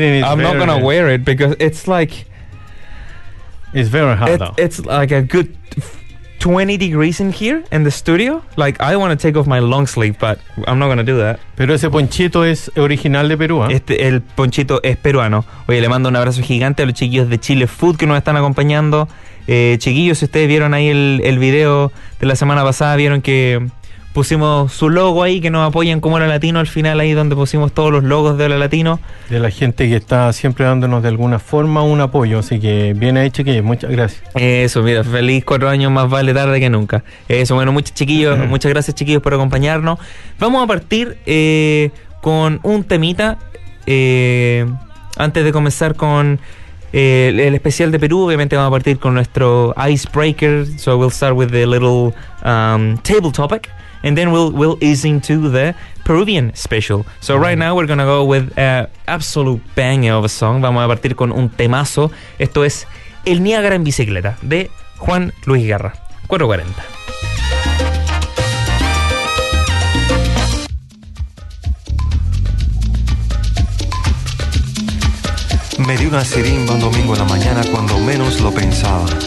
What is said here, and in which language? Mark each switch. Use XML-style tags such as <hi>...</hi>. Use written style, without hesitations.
<en>I'm not gonna wear it because it's like... It's very hot, though. It's like a good 20 degrees in here, in the studio. Like, I want to take off my long sleeve, but I'm not going to do that.</en> <es>Pero ese ponchito es original de Perú, ¿eh? El ponchito es peruano. Oye, le mando un abrazo gigante a los chiquillos de Chile Food que nos están acompañando. Chiquillos, si ustedes vieron ahí el video de la semana pasada, vieron que pusimos su logo ahí, que nos apoyan como Hola Latino al final, ahí donde pusimos todos los logos de Hola Latino. De la gente que está siempre dándonos de alguna forma un apoyo, así que bien ahí, chiquillos, muchas gracias. Eso, mira, feliz 4 años, más vale tarde que nunca. Eso, bueno, muchas gracias, chiquillos, por acompañarnos. Vamos a partir con un temita antes de comenzar con el especial de Perú. Obviamente vamos a partir con nuestro icebreaker,</es> <en>so we'll start with the little table topic. And then we'll ease into the Peruvian special. So right now we're gonna go with an absolute banger of a song.</en> <es>Vamos a partir con un temazo. Esto es El Niágara en Bicicleta, de Juan Luis Guerra. 440. Me di una sirimba un domingo en la mañana cuando menos lo pensaba.</es>